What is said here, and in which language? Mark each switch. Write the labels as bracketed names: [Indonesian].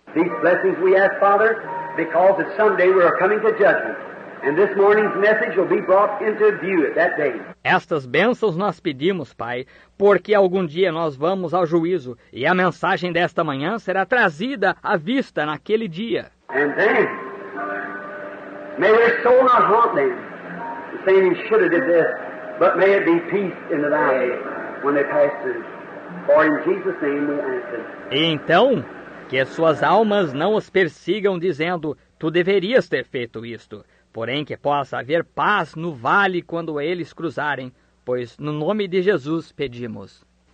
[English] These blessings we ask, Father, because that someday we are coming to judgment, and this morning's message will be brought into view at that day. [Portuguese] Estas bênçãos nós pedimos, Pai, porque algum dia nós vamos ao juízo, e a mensagem desta manhã será trazida à vista naquele dia. [English] And then, may their soul not haunt them, saying you should have did this, but may it be peace in the valley when they pass through. For in Jesus' name we answer. [Portuguese] E então, que suas almas não os persigam dizendo, tu deverias ter feito isto, porém que possa haver paz no vale quando eles cruzarem, pois no nome de Jesus pedimos.